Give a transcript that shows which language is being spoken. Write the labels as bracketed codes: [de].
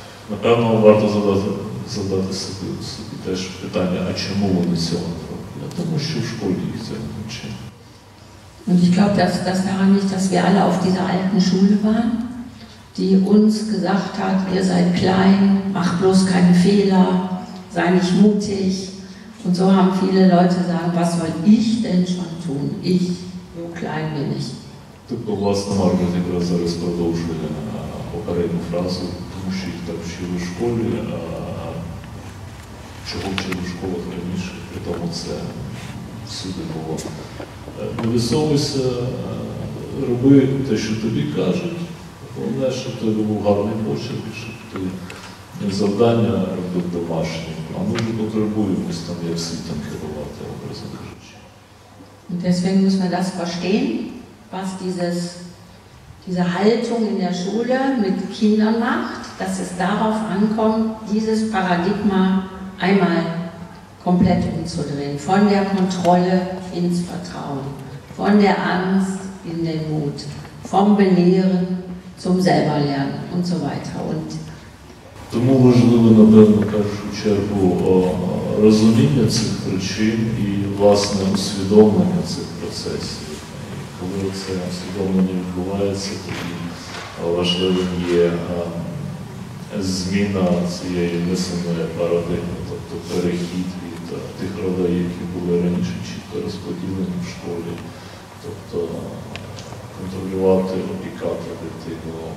[uk] Напевно, варто задати собі теж питання, а чому вони цього не роблять? Тому що в школі їх це не вчили. [de] Und ich glaube, dass das daran liegt, dass wir alle auf dieser alten Schule waren, die uns gesagt hat, ihr seid klein, mach bloß keine Fehler, sei nicht mutig. Und so haben viele Leute gesagt, was soll ich denn schon tun? Ich, so klein bin ich. [uk] Тобто, власне, Маргарет якраз зараз продовжує попередню фразу, тому що їх так вчили в школі, а чого вчили в школах раніше, при тому це всюди було. Не висовуйся, роби те, що тобі кажуть. Головне, щоб ти робив гарний почерк, щоб ти не завдання робив домашні, а ми вже потребуємось там, як світом керувати, образно кажучи. [de] Deswegen müssen wir das verstehen, was diese Haltung in der Schule mit Kindern macht, dass es darauf ankommt, dieses Paradigma einmal komplett umzudrehen. Von der Kontrolle ins Vertrauen, von der Angst in den Mut, vom Belehren zum Selberlernen und so weiter. Und [uk] тому важливо, напевно, в першу чергу розуміння цих причин і власне усвідомлення цих процесів. Коли це усвідомлення відбувається, тоді важливим є зміна цієї мисленої парадигми, тобто перехід від тих родей, які були раніше чітко розподілені в школі, тобто контролювати, опікати дитину.